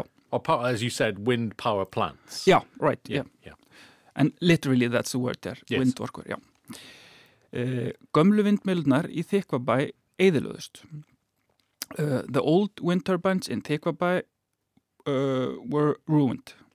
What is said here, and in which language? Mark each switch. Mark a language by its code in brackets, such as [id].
[en] Or power, as you said, wind power plants. Yeah. Right. Yeah. Yeah. Yeah. And literally, that's the word there. Yes. Wind worker. Yeah. [is] Gömlu vindmyllnar í Þykkvabæ eyðilögðust. [en] The old wind turbines in Þykkvabæ were ruined.